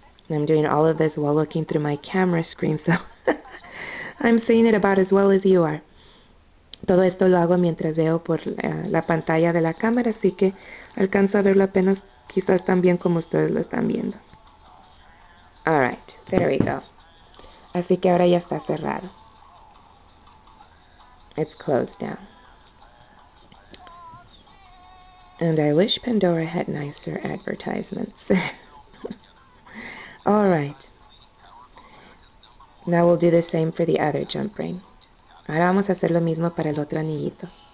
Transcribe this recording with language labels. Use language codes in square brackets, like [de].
[en] I'm doing all of this while looking through my camera screen, so I'm seeing it about as well as you are. [es] Todo esto lo hago mientras veo por la pantalla de la cámara, así que alcanzo a verlo apenas quizás tan bien como ustedes lo están viendo. [en] All right, there we go. [es] Así que ahora ya está cerrado. [en] It's closed down. And I wish Pandora had nicer advertisements. All right. Now we'll do the same for the other jump ring. [es] Ahora vamos a hacer lo mismo para el otro anillito.